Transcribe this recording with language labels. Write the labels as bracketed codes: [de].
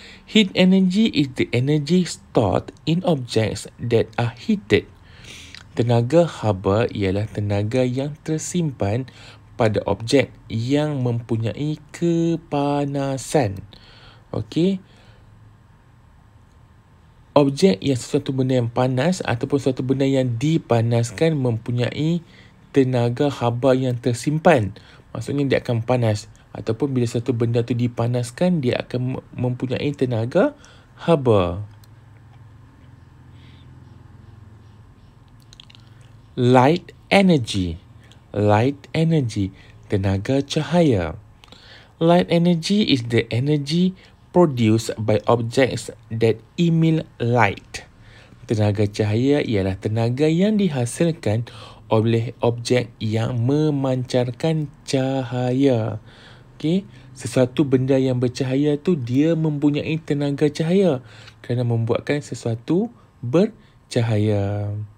[en] Heat energy is the energy stored in objects that are heated. [ms] Tenaga haba ialah tenaga yang tersimpan pada objek yang mempunyai kepanasan. Okey. Objek yang sesuatu benda yang panas ataupun sesuatu benda yang dipanaskan mempunyai tenaga haba yang tersimpan. Maksudnya dia akan panas. Ataupun bila satu benda tu dipanaskan, dia akan mempunyai tenaga haba. [en] Light energy. Light energy. [ms] Tenaga cahaya. [en] Light energy is the energy produced by objects that emit light. [ms] Tenaga cahaya ialah tenaga yang dihasilkan oleh objek yang memancarkan cahaya. Okay. Sesuatu benda yang bercahaya tu dia mempunyai tenaga cahaya kerana membuatkan sesuatu bercahaya.